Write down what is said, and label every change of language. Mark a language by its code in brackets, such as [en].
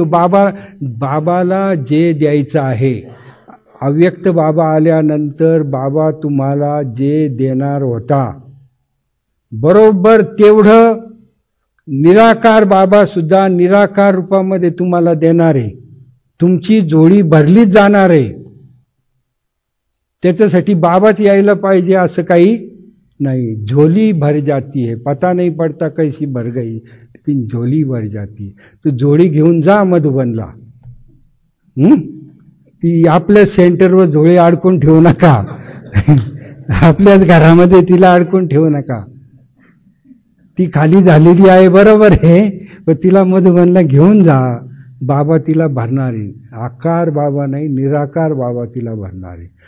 [mr] बाबाला जे द्यायचं आहे अव्यक्त बाबा आल्यानंतर बाबा तुम्हाला जे देणार होता बरोबर तेवढं निराकार बाबा सुद्धा निराकार रूपामध्ये तुम्हाला देणार आहे. तुमची जोडी भरलीच जाणार आहे. त्याच्यासाठी बाबाच यायला पाहिजे असं काही नाही. [hi] झोली भर जाती है, पता नहीं पड़ता कैसी भर गई लेकिन झोली भर जाती है. [mr] तो झोली घेऊन जा मधुबनला. ती आपल्या सेंटरवर झोळी अडकून ठेवू नका. आपल्याच घरामध्ये तिला अडकून ठेवू नका. ती खाली झालेली आहे बरोबर आहे, पण तिला मधुबनला घेऊन जा. बाबा तिला भरणार आहे. आकार बाबा नाही निराकार बाबा तिला भरणार आहे.